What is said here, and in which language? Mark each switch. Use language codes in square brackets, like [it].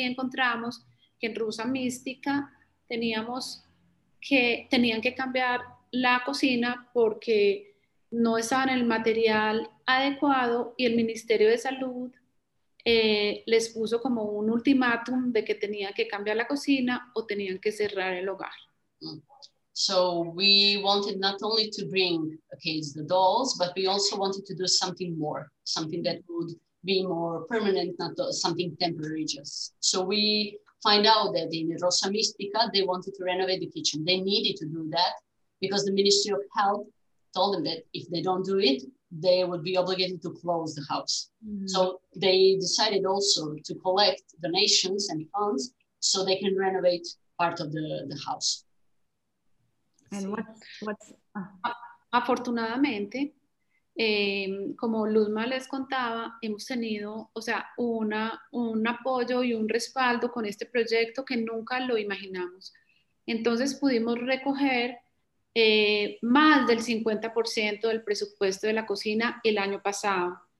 [es] Y encontramos que en Rusa Mística tenían que cambiar la cocina porque no estaban en el material adecuado y el Ministerio de Salud les puso como un ultimátum de que tenía que cambiar la cocina o tenían que cerrar el hogar. [en] So we wanted not only to bring kids the dolls, but we also wanted to do something more, something that would be more permanent, not something temporary just. So we find out that in Rosa Mística, they wanted to renovate the kitchen. They needed to do that because the Ministry of Health told them that if they don't do it, they would be obligated to close the house. Mm-hmm. So they decided also to collect donations and funds so they can renovate part of the house. And what's [es] afortunadamente, como Luzma les contaba, hemos tenido, o sea, un apoyo y un respaldo con este proyecto que nunca lo imaginamos. Entonces pudimos recoger más del 50% del presupuesto de la cocina el año pasado.